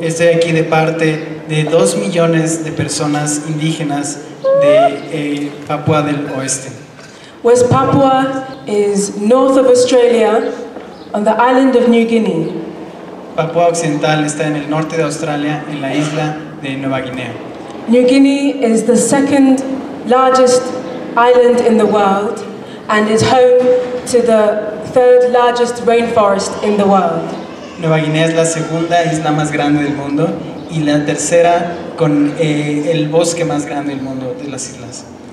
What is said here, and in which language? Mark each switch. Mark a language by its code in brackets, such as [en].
[es] Estoy aquí de parte de 2 millones de personas indígenas de Papua del Oeste. [en] West Papua is north of Australia on the island of New Guinea. [es] Papua Occidental está en el norte de Australia en la isla de Nueva Guinea. [en] New Guinea is the second largest island in the world and is home to the third largest rainforest in the world. [es] Nueva Guinea es la segunda isla más grande del mundo y la tercera con el bosque más grande del mundo de las islas.